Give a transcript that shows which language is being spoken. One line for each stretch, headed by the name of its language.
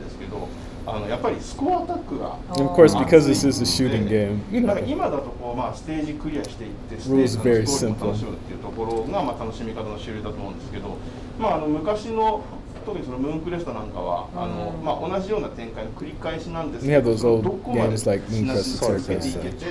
Japanese: まあ、特にムーンクレスタなんて本当に1980年のゲームで、あの、ルール自体はすごく原始的なんですけど、あの、やっぱりスコアアタックが
English: Of course, because this is a shooting game. You know,
Japanese: 今だとこう、まあ、ステージクリアしていって、ステージを楽しむっていうところが、まあ、楽しみ方の種類だと思うんですけど、まあ、あの、昔の、特にそのムーンクレスタなんかは、あの、まあ、同じような展開の繰り返しなんですけど、
English: We have those old games like Moon Crest and Terra Cresta.